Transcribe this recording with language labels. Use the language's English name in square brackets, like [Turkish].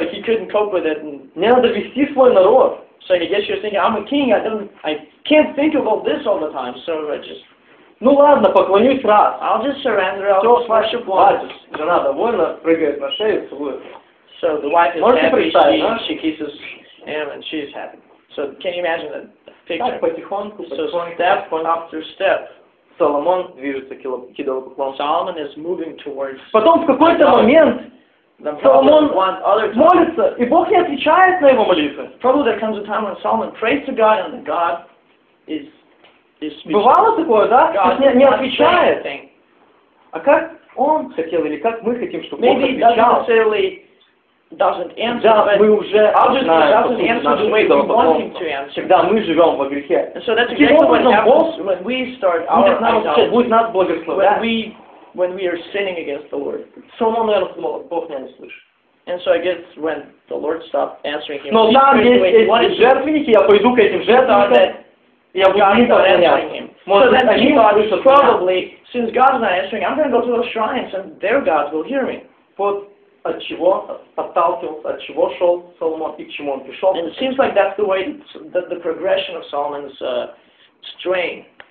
[English] so he couldn't cope with it. [Russian] Мне надо вести свой народ. [English] So I guess you're thinking, I'm a king, I can't think about this all the time, so I just... [Russian] Ну ладно, поклонюсь раз. [English] I'll just surrender, I'll just worship once. [Russian] Хватит, жена довольна, прыгает на шею, целует. [English] So the wife is [Russian] можете [English] happy, [Russian] представить, [English] she, [Russian] а? [English] She kisses him and she's happy. So can you imagine that picture? [Russian] Так, потихоньку, потихоньку. [English] So step after step. [Russian] Соломон движется к идолопоклонству. [English] Solomon is moving towards... [Russian] Потом в какой-то момент Соломон молится, и Бог не отвечает на его молитвы. [English] Probably there comes a time when Solomon prays to God and God is [Russian] бывало такое, да? Не отвечает. А как он хотел или как мы хотим, чтобы [English] maybe [Russian] Бог отвечал? [English] Maybe necessarily doesn't answer. [Russian] Да, мы уже знаем, когда мы живем во грехе. [English] So that's exactly what happens when we start our idolatry. [Russian] Будет нас благословлять. [English] When we are sinning against the Lord. [Russian] Соломон, наверное, Бог не услышит. [English] And so I guess when the Lord stopped answering him. [Russian] Но там есть эти жертвенники, я пойду к этим жертвенникам, я буду им поклоняться. [English] So then probably, since God is not answering, I'm going to go to those shrines and their gods will hear me. [Russian] Вот от чего подталкивался, от чего шел Соломон и к чему он пришел. [English] And it seems like that's the way that the progression of Solomon's strain.